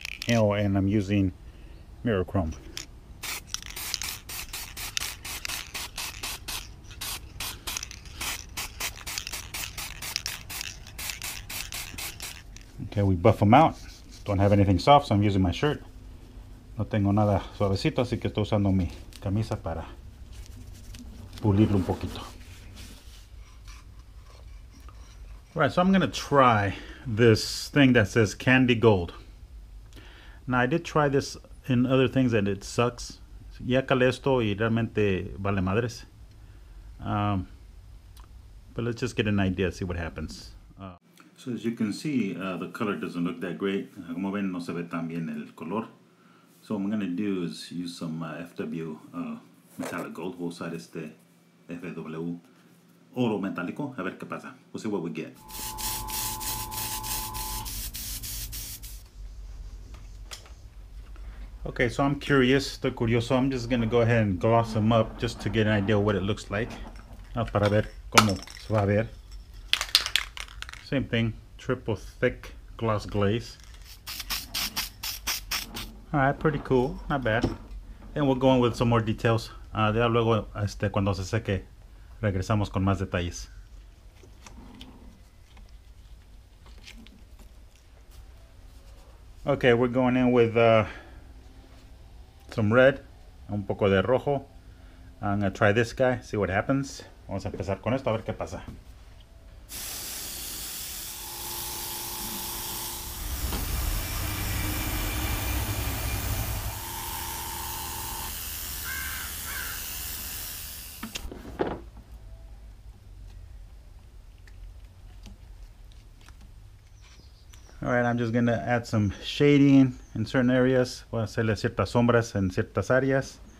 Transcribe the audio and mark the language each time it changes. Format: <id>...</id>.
<en>Oh, and I'm using mirror chrome. Okay, we buff them out. Don't have anything soft, so I'm using my shirt.</en> <es>No tengo nada suavecito, así que estoy usando mi camisa para pulirlo un poquito.</es> <en>All right, so I'm gonna try this thing that says candy gold. Now, I did try this in other things and it sucks.</en> <es>Ya calé esto y realmente vale madres.</es> <en>But let's just get an idea, see what happens. So as you can see, the color doesn't look that great.</en> <es>Como ven, no se ve tan bien el color.</es> <en>So what I'm gonna do is use some FW metallic gold.</en> <es>We'll usar este FW oro metálico, a ver qué pasa.</es> <en>We'll see what we get. Okay, so I'm curious,</en> <es>estoy curioso.</es> <en>I'm just gonna go ahead and gloss them up just to get an idea of what it looks like.</en> <es>Para ver cómo se va a ver.</es> <en>Same thing, triple thick gloss glaze. All right, pretty cool, not bad. And we'll go on with some more details.</en> <es>Ya luego, cuando se seque, regresamos con más detalles.</es> <en>Okay, we're going in with some red,</en> <es>un poco de rojo.</es> <en>I'm gonna try this guy, see what happens.</en> <es>Vamos a empezar con esto, a ver qué pasa.</es> <en>Alright, I'm just gonna add some shading in certain areas.</en> <es>Voy a hacerle ciertas sombras en ciertas áreas.</es>